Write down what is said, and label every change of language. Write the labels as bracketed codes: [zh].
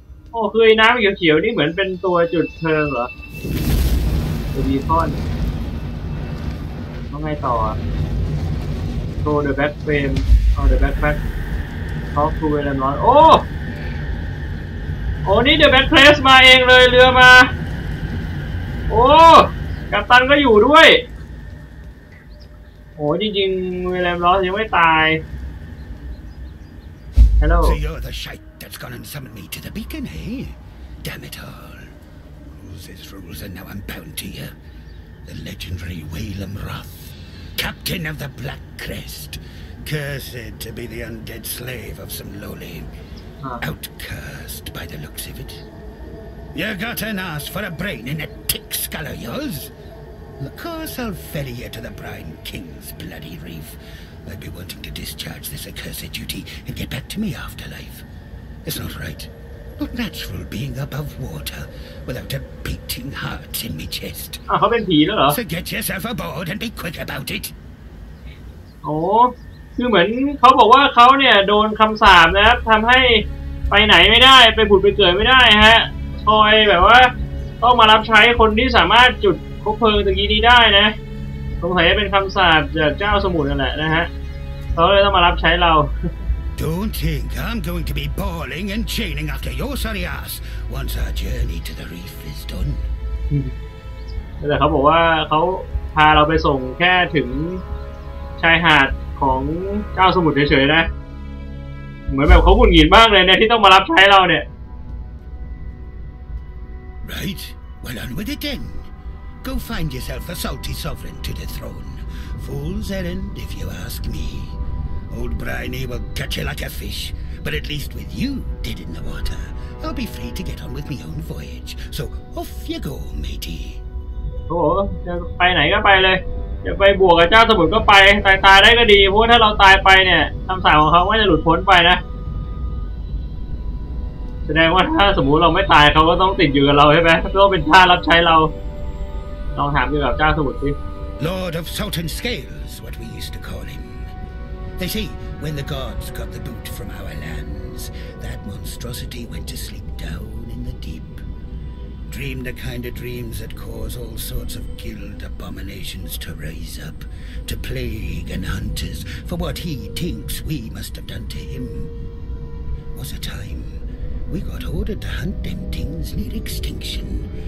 [th] โอ้คือน้ำเขียวๆนี่เหมือนเป็นตัวจุดเพลิงเหรอตัวบีคอนต้องไงต่อ [en] throw the back frame throw the back back talk to the noise [th] โอ้โอ้นี่ [en] the back place [th] มาเองเลยเรือมาโอ้กัปตันก็อยู่ด้วยโอ้จริงๆเวลามลอสยังไม่ตาย [en] Hello so you're the shite that's gone and summoned me to the beacon hey damn it all rules is rules and now I'm bound to you the legendary Wailam Roth captain of the Black Crest cursed to be the undead slave of some lowly outcursed by the looks of it you got an ass for a brain in a tick skull of yours Of course I'll ferry you to the Brine King's bloody reef. I'd be wanting to discharge this accursed duty and get back to me afterlife. It's not right. Not natural being above water without a beating heart in me chest. [th] เขาเป็นผีแล้วเหรอ [en] So get yourself aboard and be quick about it. [th] โอ้คือเหมือนเขาบอกว่าเขาเนี่ยโดนคำสาปนะครับทำให้ไปไหนไม่ได้ไปผุดไปเกิดไม่ได้ฮะคอยแบบว่าต้องมารับใช้คนที่สามารถจุดคบเพลิงตะกี้นี้ได้นะสงสัยเป็นคำสาปจากเจ้าสมุนนั่นแหละนะฮะเขาเลยต้องมารับใช้เรา [en] Don't think I'm going to be bawling and chaining after your sorry ass once our journey to the reef is done [th] แต่เขาบอกว่าเขาพาเราไปส่งแค่ถึงชายหาดของเจ้าสมุนเฉยๆนะเหมือนแบบเขาหงุดหงิดมากเลยเนี่ยที่ต้องมารับใช้เราเนี่ย [en] Right well on with it thenGo find yourself a salty sovereign to the throne. Fool's errand, if you ask me. Old Briny will catch you like a fish, but at least with you dead in the water, I'll be free to get on with my own voyage. So off you go, matey. [th] โอ้จะไปไหนก็ไปเลยจะไปบวกกับเจ้าสมุทรก็ไปตายตายได้ก็ดีเพราะถ้าเราตายไปเนี่ยคำสาปของเขาก็จะหลุดพ้นไปนะแสดงว่าถ้าสมมติเราไม่ตายเขาก็ต้องติดอยู่กับเราใช่ไหมเพื่อเป็นทาสรับใช้เราลองถามดูแบบเจ้าสมุทรสิ [en] Lord of Salt and Scales what we used to call him They say when the gods got the boot from our lands that monstrosity went to sleep down in the deep dreamed the kind of dreams that cause all sorts of guild abominations to rise up to plague and hunt us for what he thinks we must have done to him was a timeWe got ordered to hunt them things near extinction.